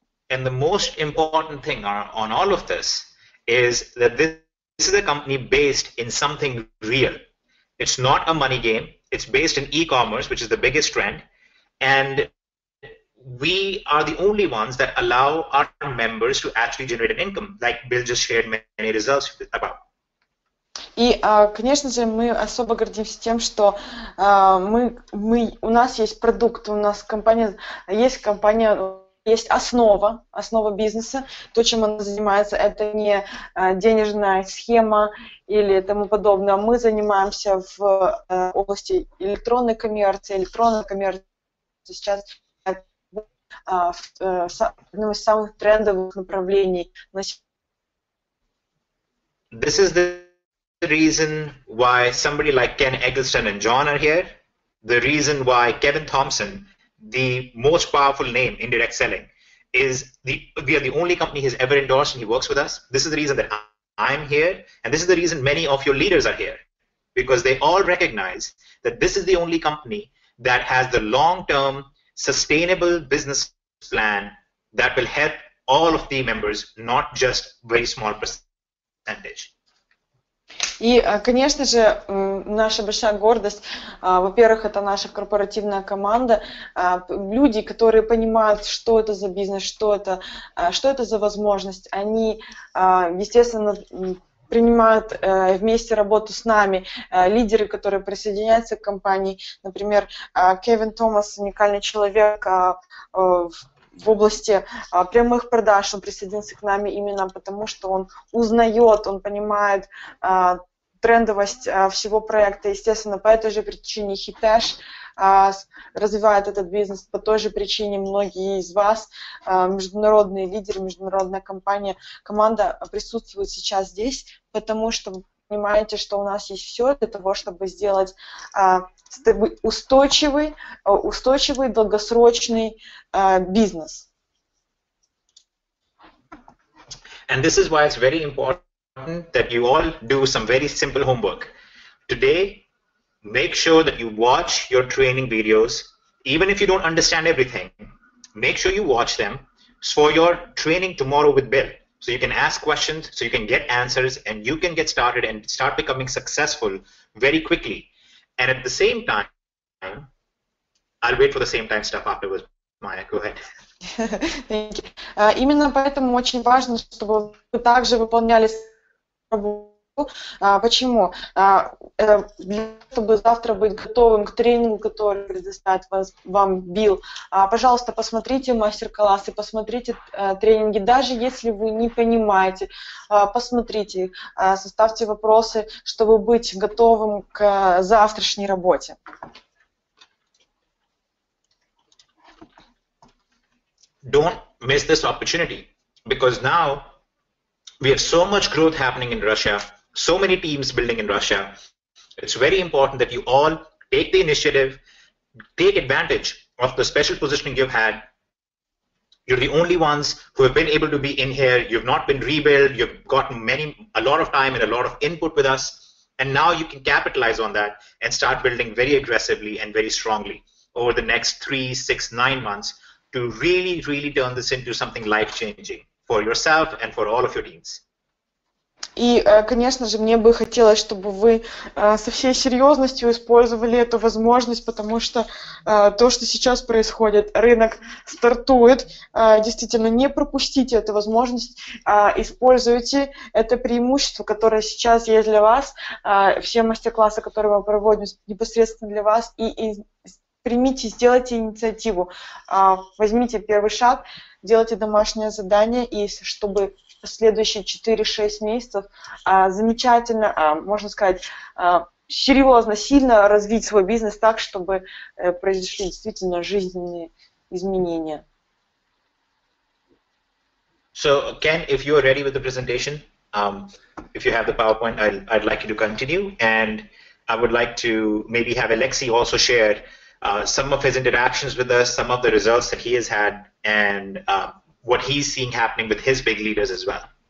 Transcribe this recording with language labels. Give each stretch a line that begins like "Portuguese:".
English: And the most important thing on all of this is that this is a company based in something real. It's not a money game, it's based in e-commerce, which is the biggest trend, and we are the only ones that allow our members to actually generate an income, like Bill just shared many results about.
Russian: И, конечно же, мы особо гордимся тем, что у нас есть продукт, у нас компания, есть основа бизнеса. То, чем она занимается, это не денежная схема или тому подобное. Мы занимаемся в области электронной коммерции. Электронная коммерция сейчас одним из самых трендовых направлений.
English: This is the reason why somebody like Ken Eggleston and John are here. The reason why Kevin Thompson, the most powerful name in direct selling, we are the only company he's ever endorsed and he works with us. This is the reason that I'm here, and this is the reason many of your leaders are here, because they all recognize that this is the only company that has the long-term sustainable business plan that will help all of the members, not just very small percentage.
Russian: И, конечно же, наша большая гордость, во-первых, это наша корпоративная команда, люди, которые понимают, что это за бизнес, что это за возможность, они, естественно, принимают вместе работу с нами лидеры, которые присоединяются к компании. Например, Кевин Томас, уникальный человек в области прямых продаж, он присоединился к нами именно потому, что он узнает, он понимает трендовость всего проекта. Естественно, по этой же причине Hitesh развивает этот бизнес, по той же причине многие из вас, международные лидеры, международная компания, команда присутствует сейчас здесь, потому что вы понимаете, что у нас есть все для того, чтобы сделать устойчивый долгосрочный бизнес.
English: And this is why it's very important that you all do some very simple homework. Today, make sure that you watch your training videos, even if you don't understand everything. Make sure you watch them for your training tomorrow with Bill, so you can ask questions, so you can get answers, and you can get started and start becoming successful very quickly. And at the same time, I'll wait for the same time stuff afterwards. Maya, go ahead. Thank you.
Russian: Именно поэтому очень важно, чтобы вы также выполняли работу. Почему? Для того, чтобы завтра быть готовым к тренингу, который предоставит вам Билл, пожалуйста, посмотрите мастер-классы, посмотрите тренинги. Даже если вы не понимаете, посмотрите, составьте вопросы, чтобы быть готовым к завтрашней работе.
English: Don't miss this opportunity, because now we have so much growth happening in Russia, so many teams building in Russia. It's very important that you all take the initiative, take advantage of the special positioning you've had. You're the only ones who have been able to be in here. You've not been rebuilt. You've gotten a lot of time and a lot of input with us, and now you can capitalize on that and start building very aggressively and very strongly over the next 3, 6, 9 months. To really, really turn this into something life-changing for yourself and for all of your teams.
Russian: И, конечно же, мне бы хотелось, чтобы вы со всей серьезностью использовали эту возможность, потому что то, что сейчас происходит, рынок стартует, действительно, не пропустите эту возможность, используйте это преимущество, которое сейчас есть для вас, все мастер-классы, которые мы проводим непосредственно для вас, Примите, сделайте инициативу, возьмите первый шаг, делайте домашнее задание, и чтобы в последующие 4-6 месяцев замечательно, можно сказать, серьезно, сильно развить свой бизнес так, чтобы произошли действительно жизненные изменения.
English: So, Ken, if you are ready with the presentation, if you have the PowerPoint, I'd like you to continue, and I would like to maybe have Alexei also share some of his interactions with us, some of the results that he has had, and what he's seeing happening with his big leaders as well.